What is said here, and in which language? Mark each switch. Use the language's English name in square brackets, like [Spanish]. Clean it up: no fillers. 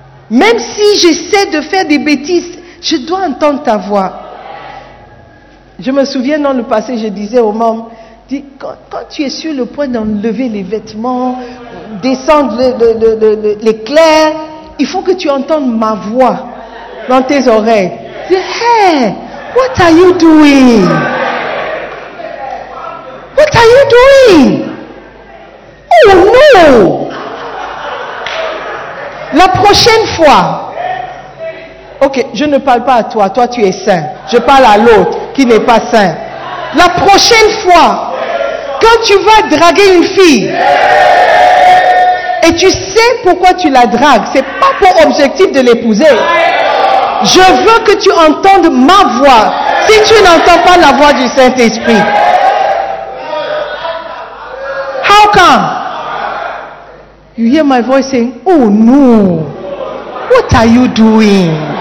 [French] Même si j'essaie de faire des bêtises, je dois entendre ta voix. Je me souviens dans le passé, je disais aux membres, quand tu es sur le point d'enlever les vêtements, descendre l'éclair, il faut que tu entendes ma voix dans tes oreilles. [English] Dis, hey, what are you doing? What are you doing? Oh no! [French] La prochaine fois. Ok, je ne parle pas à toi. Toi, tu es saint. Je parle à l'autre qui n'est pas saint. La prochaine fois, quand tu vas draguer une fille, et tu sais pourquoi tu la dragues, c'est pas pour objectif de l'épouser. Je veux que tu entendes ma voix. Si tu n'entends pas la voix du Saint-Esprit, [English] how come? You hear my voice saying, oh no, what are you doing?